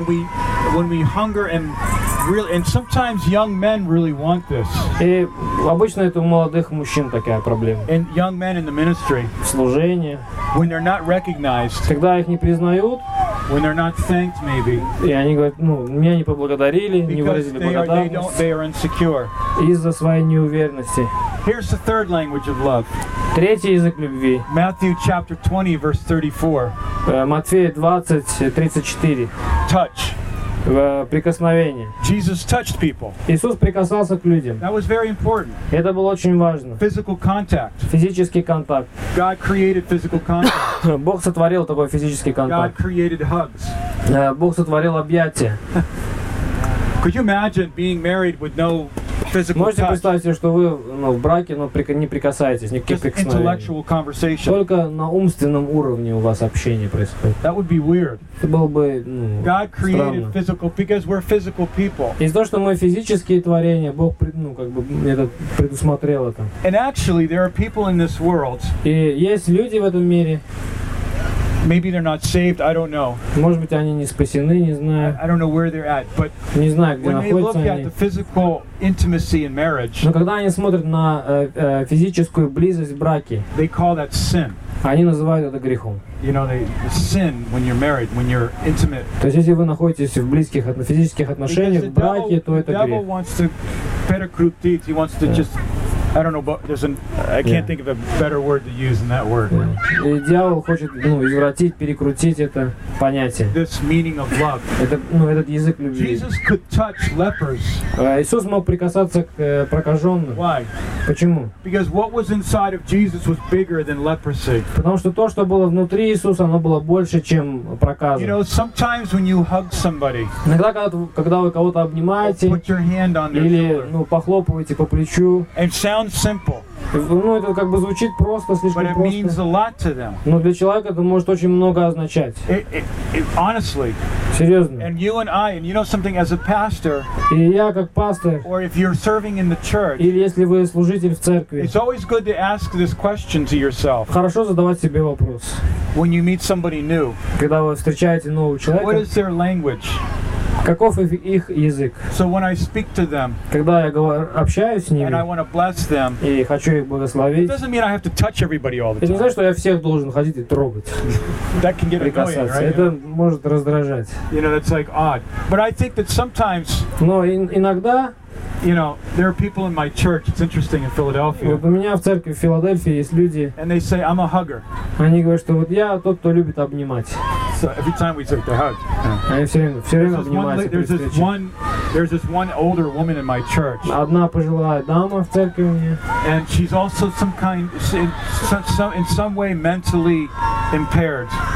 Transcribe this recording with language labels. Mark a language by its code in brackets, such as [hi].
[en] When we hunger and really, and sometimes young men really want this. [ru] И обычно это у молодых мужчин такая проблема. [en] And young men in the ministry. [ru] В служении. [en] When they're not recognized. [ru] Когда их не признают. [en] When they're not thanked, maybe. [ru] И они говорят, ну, меня не поблагодарили, не выразили благодарность. [en] They are insecure. [ru] Из-за своей неуверенности. [en] Here's the third language of love. [ru] Третий язык любви. [en] Matthew chapter 20, verse 34. [ru] Матфея 20:34. [en] Touch. [ru] Прикосновение. [en] Jesus touched people. [ru] Иисус прикасался к людям. [en] That was very important. [ru] Это было очень важно. [en] Physical contact. [ru] Физический контакт. [en] God created physical contact. [ru] Бог сотворил такой физический контакт. [en] God created hugs. [ru] Бог сотворил объятия. [en] Could you imagine being married with no physical touch? [ru] Можете представить себе, что вы, ну, в браке, но не прикасаетесь, никаких прикосновений. [en] Intellectual conversation. [ru] Только на умственном уровне у вас общение происходит. [en] That would be weird. [ru] Это было бы, ну, [en] God created [ru] странно. [en] Physical because we're physical people. [ru] Из-за того, что мы физические творения, Бог, ну, как бы это предусмотрел это. [en] And actually, there are people in this world. [ru] И есть люди в этом мире. [en] Maybe they're not saved, I don't know. [ru] Может быть, они не спасены, не знаю. [en] I don't know where they're at, but [ru] не знаю, где [en] when [ru] находятся [en] they look [ru] они. [en] At the physical intimacy in marriage, [ru] но когда они смотрят на физическую близость в браке, [en] they call that sin. [ru] Они называют это грехом. [en] You know, the sin when you're married, when you're intimate. [ru] То есть, если вы находитесь в близких, на физических отношениях, [en] because [ru] в браке, то это грех. [en] The devil wants to better crude deeds, he wants to just I don't know, but there's an, I can't think of a better word to use than that word. [ru] И дьявол хочет, ну, извратить, перекрутить это понятие. [en] This meaning of love. [ru] Это, ну, этот язык любви. [en] Jesus could touch lepers. [ru] Иисус мог прикасаться к прокаженным. [en] Why? [ru] Почему? [en] Because what was inside of Jesus was bigger than leprosy. [ru] Потому что то, что было внутри Иисуса, оно было больше, чем проказа. [en] You know, sometimes when you hug somebody. [ru] Иногда, когда вы кого-то обнимаете, [en] put your hand on their [ru] или, ну, похлопываете по плечу. [en] And sounds simple. [ru] Ну, это как бы звучит просто, слишком просто. [en] But it means a lot to them. [ru] Но для человека это может очень много означать. [en] Honestly. [ru] Серьезно. [en] And you and I, and you know something, as a pastor. [ru] И я как пастор. [en] Or if you're serving in the church. [ru] Или если вы служитель в церкви. [en] It's always good to ask this question to yourself. [ru] Хорошо задавать себе вопрос. [en] When you meet somebody new. [ru] Когда вы встречаете нового человека. [en] What is their language? [ru] Каков их язык? [en] So when I speak to them, [ru] когда я общаюсь с ними, [en] and I want to bless them, [ru] и хочу их благословить, [en] it doesn't mean I have to touch everybody all the time. [ru] Это не значит, что я всех должен ходить и трогать. [en] That can get [ru] прикасаться. [en] Annoying, right? [ru] Это может раздражать. [en] You know, that's like odd. But I think that sometimes, [ru] но иногда, [en] you know, there are people in my church. It's interesting in Philadelphia. [ru] Вот у меня в церкви в Филадельфии есть люди. [en] And they say I'm a hugger. [ru] Они говорят, что вот я тот, кто любит обнимать. [en] So every time we take the hug. Yeah. There's this one older woman in my church. [ru] Одна пожилая дама в церкви у меня. [en] And she's also some kind, in some way mentally impaired.